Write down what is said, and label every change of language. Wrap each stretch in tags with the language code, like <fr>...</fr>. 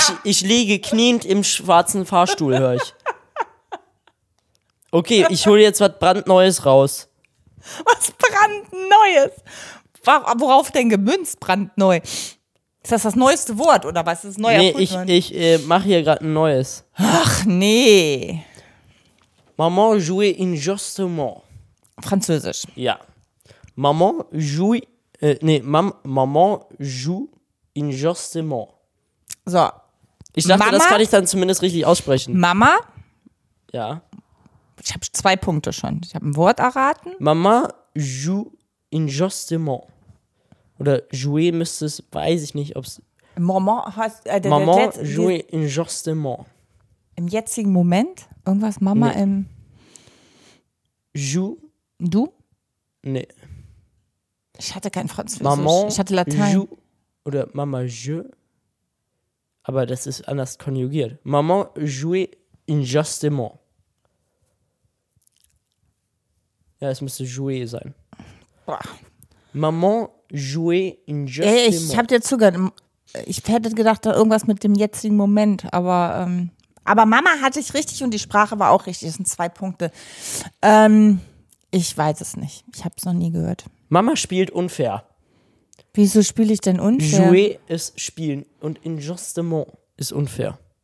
<de>Ich liege kniend im schwarzen Fahrstuhl, höre ich. Okay, ich hole jetzt was brandneues raus. Was brandneues? Worauf denn gemünzt brandneu? Ist das das neueste Wort oder was? Ist das neuer Nee, ich mache hier gerade ein neues. Ach nee.</de> <fr>Maman joue injustement.</fr> <de>Französisch.</de> <fr>Ja. Maman joue. Maman joue injustement.</fr> <de>So. Ich dachte, Mama, das kann ich dann zumindest richtig aussprechen. Mama? Ja. Ich habe zwei Punkte schon. Ich habe ein Wort erraten.</de> <fr>Maman joue injustement.</fr> <de>Oder jouer müsste es, weiß ich nicht, ob es... Maman heißt...</de> <fr>Maman jouer injustement.</fr> <de>Im jetzigen Moment? Irgendwas Mama nee. Im... Jou... Du? Nee. Ich hatte kein Französisch. Maman ich hatte Latein. Jou... Oder Mama je... Aber das ist anders konjugiert.</de> <fr>Maman jouer injustement.</fr> <de>Ja, es müsste jouer sein. Boah.</de> <fr>Maman jouer injustement.</fr> <de>Ich hab dir zugehört. Ich hätte gedacht, da irgendwas mit dem jetzigen Moment. Aber Mama hatte ich richtig und die Sprache war auch richtig. Das sind zwei Punkte. Ich weiß es nicht. Ich habe es noch nie gehört. Mama spielt unfair. Wieso spiele ich denn unfair? Jouer ist spielen und injustement ist unfair.</de>